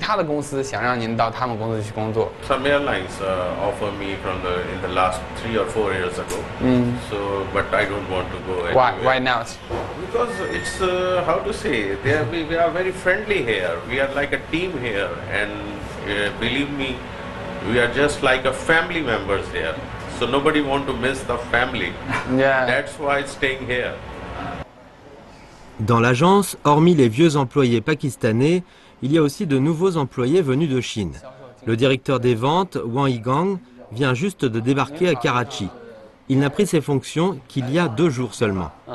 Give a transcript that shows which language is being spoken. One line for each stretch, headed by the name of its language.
Chinese: 那像您这个研究生的学历，又在这边的中资企业工作，这个条件非常好。这20多年有没有其他的公司想让您到他们公司去工作？
English: Some airlines offer me from the in the last 3 or 4 years ago. So, but I don't want to go. Why not? Because it's how to say? We are very friendly here. We are like a team here, and believe me, we are just like a family members here. So nobody want to miss the family. Yeah. That's why staying here.
French: Dans l'agence, hormis les vieux employés pakistanais, il y a aussi de nouveaux employés venus de Chine. Le directeur des ventes, Wang Yigang, vient juste de débarquer à Karachi. Il n'a pris ses fonctions qu'il y a 2 jours seulement.